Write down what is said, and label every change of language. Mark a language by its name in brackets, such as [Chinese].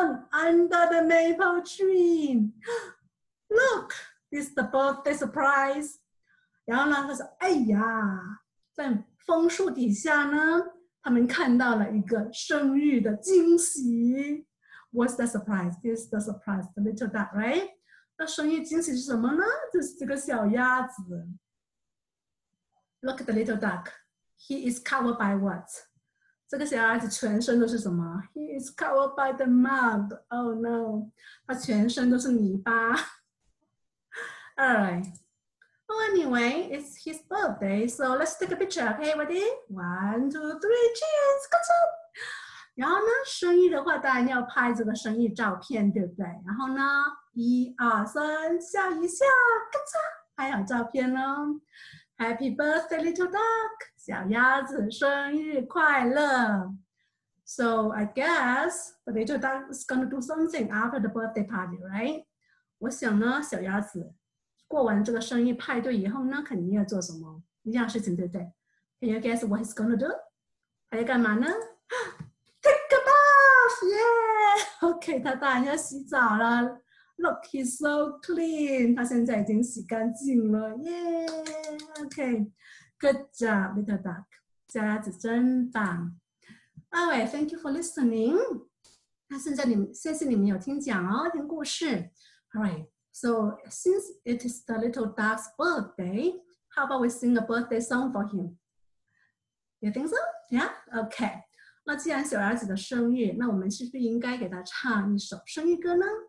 [English] Under the maple tree, look, it's the birthday surprise. [Chinese] 然后呢，他说：“哎呀，在枫树底下呢，他们看到了一个生日的惊喜。 [English] What's the surprise? This is the surprise, the little duck, right? [Chinese] 那生日惊喜是什么呢？就是这个小鸭子。 [English] Look at the little duck. He is covered by what?” [Chinese] 这个小鸭子全身都是什么？ [English] He is covered by the mud. Oh no， [Chinese] 它全身都是泥巴。Alright. [English] Well, anyway, it's his birthday, so let's take a picture. Okay, ready? One, two, three, cheers! [Chinese] 然后呢，生日的话，当然要拍这个生日照片，对不对？然后呢，一二三，笑一笑，拍好照片喽。 [English] Happy birthday, little duck！ [Chinese] 小鸭子生日快乐。 [English] So I guess the little duck is gonna do something after the birthday party, right？ [Chinese] 我想呢，小鸭子过完这个生日派对以后呢，肯定要做什么一样事情，对不对？ [English] Can you guess what he's gonna do？ [Chinese] 他要干嘛呢！ [English] Take a bath, yeah！ [Chinese] OK，他当然要洗澡了。 [English] Look, he's so clean。 [Chinese] 他现在已经洗干净了，耶、 [English] yeah!！OK，good、okay. job, little duck。 [Chinese] 小鸭子真棒。 [English] Alright, thank you for listening。 [Chinese] 那现在你们，谢谢你们有听讲哦，听故事。 [English] Alright, so since it is the little duck's birthday, how about we sing a birthday song for him? You think so? Yeah? Okay。 [Chinese] 那既然小鸭子的生日，那我们是不是应该给他唱一首生日歌呢？